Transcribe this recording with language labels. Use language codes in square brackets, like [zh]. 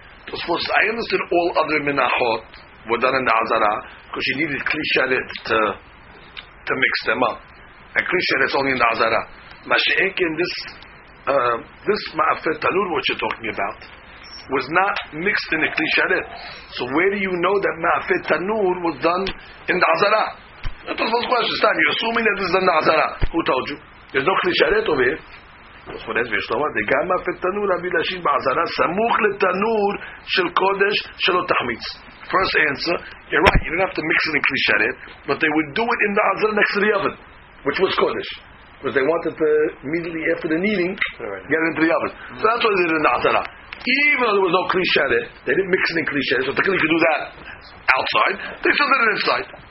[en] Suppose I understood all other menachot were done in the Azara because you needed kli shalit to mix them up, and kli shalit is only in the Azara. Mashenkin, this ma'afet tanur, what you're talking about, was not mixed in the kli shalit. So where do you know that ma'afet tanur was done in the Azara? That's the question. Stan, you're assuming that this is in the Azara. Who told you? There's no kli shalit over here. [he] גם מאפת תנור להביא להשאיר בעזרה סמוך לתנור של קודש שלא תחמיץ. [en] First answer, you're right, you don't have to mix it in kli shalit, but they would do it in the azara next to the oven, which was kodesh, because they wanted to immediately after the kneading get into the oven. So that's what they did in the azara. Even though there was no kli shalit, they didn't mix it in kli shalit, so technically you could do that outside, they still did it inside.